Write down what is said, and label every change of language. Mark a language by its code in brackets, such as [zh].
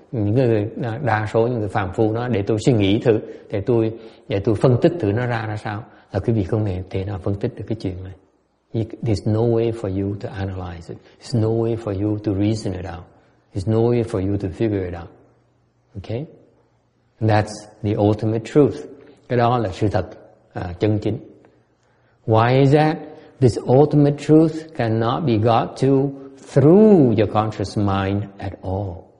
[vi] Những người đa số những người phàm phu nói để tôi suy nghĩ thử, để tôi phân tích thử nó ra là sao, là quý vị không thể nào phân tích được cái chuyện này. [en] There's no way for you to analyze it. There's no way for you to reason it out. There's no way for you to figure it out. Okay, that's the ultimate truth. [vi] Cái đó là sự thật chân chính. [en] Why is that? This ultimate truth cannot be got to through your conscious mind at all.